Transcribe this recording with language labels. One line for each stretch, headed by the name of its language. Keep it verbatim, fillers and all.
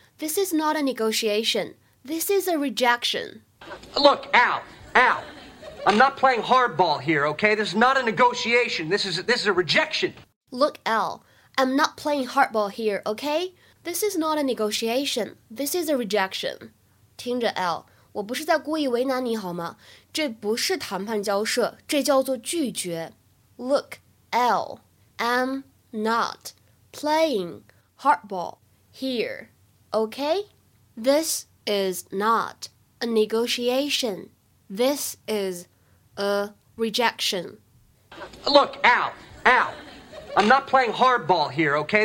English: This is not a negotiation. This is a rejection. Look, Al, Al, I'm not playing hardball here, okay? This is not a negotiation. This is this is a rejection. Look, Al, I'm not playing hardball here, okay? This is not a negotiation. This is a rejection.
Chinese: 听着 Al,我不是在故意为难你好吗？这不是谈判交涉，这叫做拒绝。
English: Look, Al, I'm not playing hardball here, okay? This is not a negotiation. This is a rejection. Look, Al, Al, I'm not playing hardball here, okay?